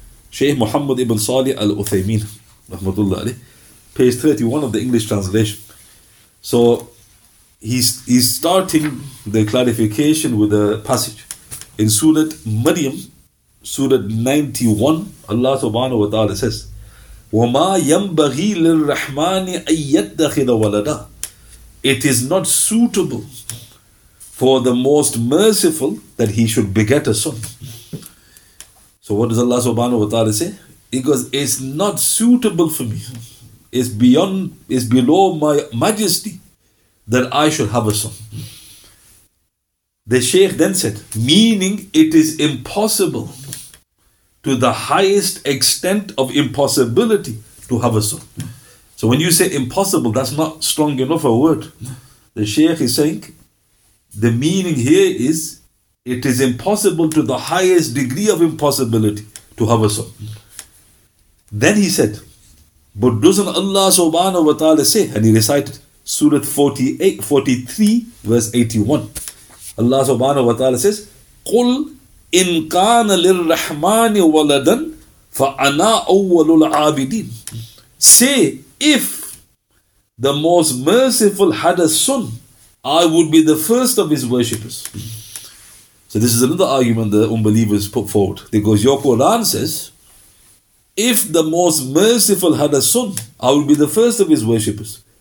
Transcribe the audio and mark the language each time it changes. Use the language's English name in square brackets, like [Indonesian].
[English] Shaykh Muhammad Ibn Salih Al-Uthaymeen, rahmatullah alayh, page 31 of the English translation. So he's starting the clarification with a passage in Surah Maryam, Surah 91. Allah subhanahu wa ta'ala says, [Arabic] وَمَا يَنْبَغِي لِلْرَّحْمَانِ أَن يَتَّخِذَ وَلَدًا. [English] It is not suitable for the most merciful that he should beget a son. So what does Allah subhanahu wa ta'ala say? He goes, it's not suitable for me. It's beyond, it's below my majesty that I should have a son. The Shaykh then said, meaning it is impossible to the highest extent of impossibility to have a son. So when you say impossible, that's not strong enough a word. The Shaykh is saying, the meaning here is, it is impossible to the highest degree of impossibility to have a son. Then he said, but doesn't Allah subhanahu wa ta'ala say, and he recited Surah 43 verse 81. Allah subhanahu wa ta'ala says, [Arabic] قُلْ إِن كَانَ لِلْرَحْمَانِ وَلَدًا فَأَنَا أَوَّلُ الْعَابِدِينَ. [English] Say, if the most merciful had a son, I would be the first of his worshippers. So this is another argument the unbelievers put forward. They goes, your Quran says, if the most merciful had a son, I would be the first of his worshippers.